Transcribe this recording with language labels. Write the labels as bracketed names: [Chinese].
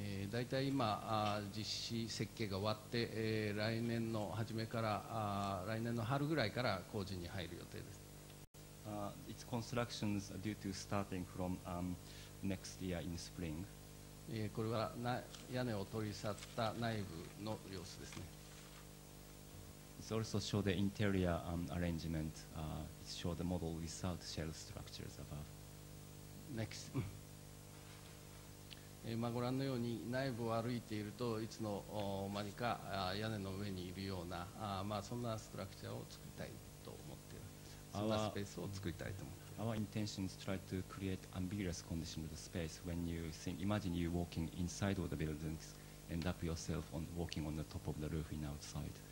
[Japanese] だいたい今実施設計が終わって、来年の初めから来年の春ぐらいから工事に入る予定です。 [English] Its constructions are due to starting from next year in spring. [Japanese] これは屋根を取り去った内部の様子ですね。 [English] It also shows the interior arrangement. It shows the model without shell structures above. Next. [Japanese] まあ、ご覧のように内部を歩いているといつの間にか屋根の上にいるようなまあそんなストラクチャーを作りたいと思っている。そんなスペースを作りたいと思っている。 [English] Our intention is to try to create ambiguous condition of the space. When you think, imagine you walking inside of the buildings, end up yourself on walking on the top of the roof in outside.